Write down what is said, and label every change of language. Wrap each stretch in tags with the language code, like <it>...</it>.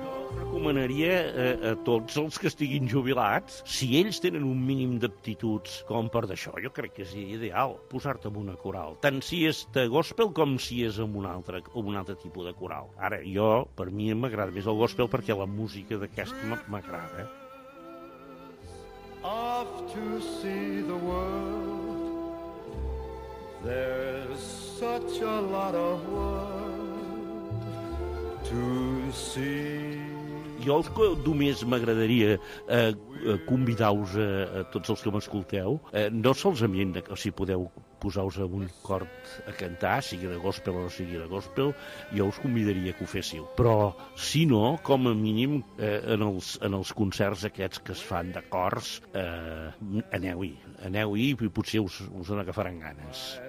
<ca>Recomanaria a tots els que estiguin jubilats, si ells tenen un mínim d'aptituds com per d'això, jo crec que és ideal posar-te en una coral, tant si és de gospel com si és en un altre tipus de coral. Ara, jo, per mi, m'agrada més el gospel perquè la música d'aquest m'agrada.</ca> <en>Off to see the world, there's such a lot of world to see.</en> <ca>Jo el que només m'agradaria convidar-vos a tots els que m'escolteu, no se'ls ambient, si podeu posar-vos en un cor a cantar, sigui de gospel o no sigui de gospel, jo us convidaria que ho féssiu. Però, si no, com a mínim, en els concerts aquests que es fan de cors, aneu-hi i potser us en agafaran ganes.</ca>